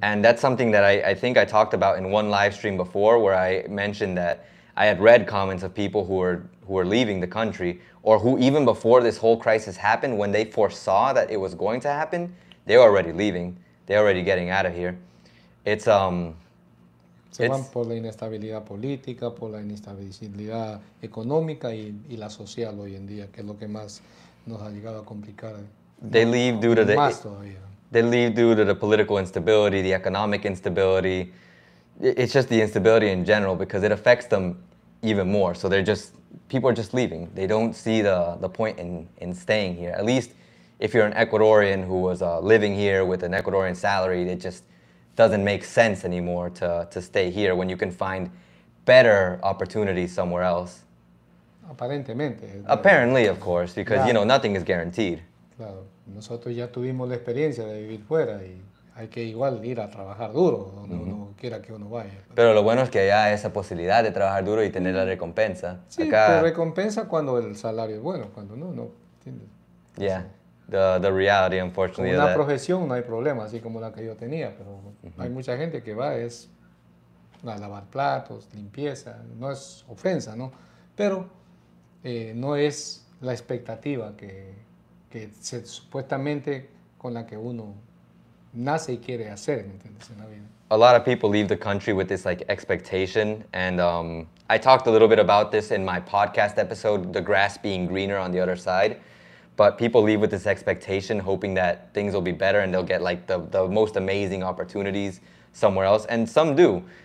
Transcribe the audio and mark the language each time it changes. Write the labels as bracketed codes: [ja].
[en] And that's something that I think I talked about in one live stream before, where I mentioned that I had read comments of people who are leaving the country, or who even before this whole crisis happened, when they foresaw that it was going to happen, they're already leaving. They're already getting out of here. It's [es] se van por la inestabilidad política, por la inestabilidad económica y la social hoy en día, que es lo que más nos ha llegado a complicar. [en] They leave due to the political instability, the economic instability. It's just the instability in general, because it affects them even more. So people are just leaving. They don't see the point in staying here. At least if you're an Ecuadorian who was living here with an Ecuadorian salary, it just doesn't make sense anymore to stay here when you can find better opportunities somewhere else. [es] Aparentemente. [en] Apparently, of course, because, [es] claro, [en] you know, nothing is guaranteed. [es] Claro, nosotros ya tuvimos la experiencia de vivir fuera y hay que igual ir a trabajar duro donde uno quiera que uno vaya. Pero lo bueno es que allá hay esa posibilidad de trabajar duro y tener la recompensa. Sí, acá, te recompensa cuando el salario es bueno, cuando no, ¿entiendes? [en] Yeah. The reality, unfortunately, [es] una profesión no hay problema, así como la que yo tenía, pero hay mucha gente que va es a lavar platos, limpieza, no es ofensa, ¿no? Pero no es la expectativa que se, supuestamente con la que uno nace y quiere hacer, ¿entiendes? En la vida. [en] A lot of people leave the country with this like expectation, and I talked a little bit about this in my podcast episode, The Grass Being Greener on the Other Side. But people leave with this expectation, hoping that things will be better and they'll get like the most amazing opportunities somewhere else. And some do.